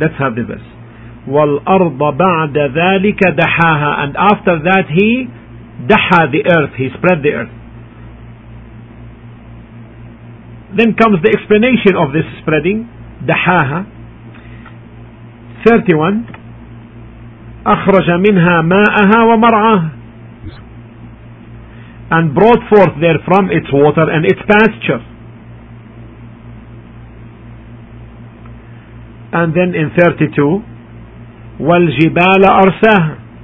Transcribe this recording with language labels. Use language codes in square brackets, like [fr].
[en] Let's have the verse. [ar] وَالْأَرْضَ بَعْدَ ذَلِكَ دَحَاهَا. [en] And after that he دَحَى the earth, he spread the earth. Then comes the explanation of this spreading, دَحَاهَا. 31. [ar] أخرج منها ماءها ومرعاها. [en] And brought forth therefrom its water and its pasture. And then in 32, [ar] والجبال أرساها.